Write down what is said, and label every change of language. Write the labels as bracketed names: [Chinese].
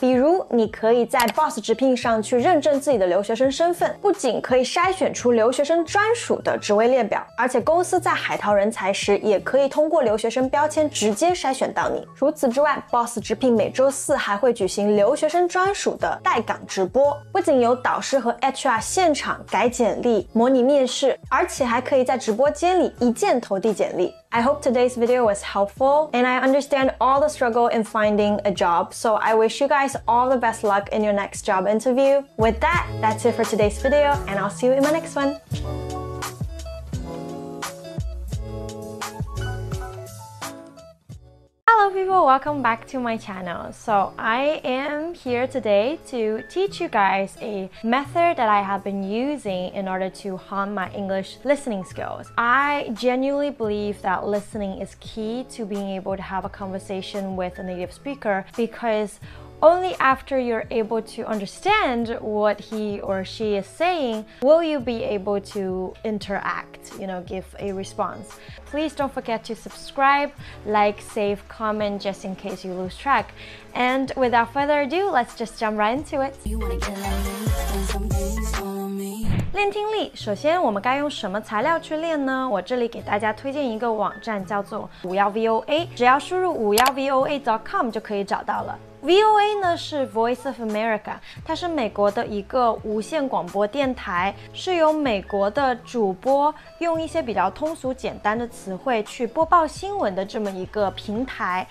[Chinese] 比如你可以在 Boss 直聘上去认证自己的留学生身份，不仅可以筛选出留学生专属的职位列表，而且公司在海淘人才时也可以通过留学生标签直接筛选到你。除此之外， Boss 直聘每周四还会举行留学生专属的待岗直播，不仅有导师和 HR 现场改简历、模拟面试，而且还可以在直播间里一键投递简历。 [English] I hope today's video was helpful, and I understand all the struggle in finding a job, so I wish you guys all the best luck in your next job interview. With that, that's it for today's video, and I'll see you in my next one. Hello people, welcome back to my channel. So I am here today to teach you guys a method that I have been using in order to hone my English listening skills. I genuinely believe that listening is key to being able to have a conversation with a native speaker because only after you're able to understand what he or she is saying will you be able to interact, you know, give a response. Please don't forget to subscribe, like, save, comment just in case you lose track. And without further ado, let's just jump right into it. You wanna get like me, and some things on me. [Chinese] 练听力，首先我们该用什么材料去练呢？我这里给大家推荐一个网站，叫做51VOA， 只要输入 51VOA.com 就可以找到了。 VOA 呢是 Voice of America， 它是美国的一个无线广播电台，是由美国的主播用一些比较通俗简单的词汇去播报新闻的这么一个平台。